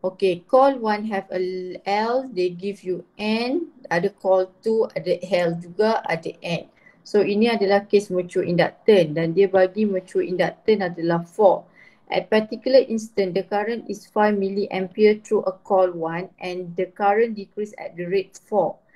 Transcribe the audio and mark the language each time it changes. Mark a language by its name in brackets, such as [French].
[English] Okay, call one have a L, they give you N. [Malay] Ada call two, ada L juga, ada N. So ini adalah case mutual inductance dan dia bagi mutual inductance adalah 4. [English] At particular instant, the current is 5 milliampere through a call one and the current decrease at the rate 4.